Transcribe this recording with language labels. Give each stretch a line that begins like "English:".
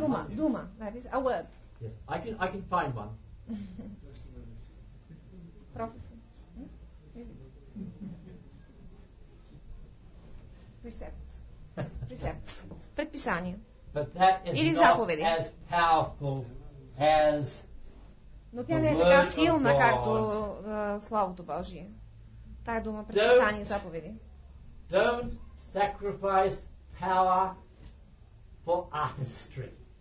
Bulgarian: дума, дума,
English: that is a word. Yes, I can find one. Professor. Precept. Precept. Предписание. But that is или
Bulgarian: заповеди.
English: Not as powerful as
Bulgarian: но тя не е така силна, както Славото Божие. Тая дума предписание и заповеди.
English: Don't sacrifice power for artistry.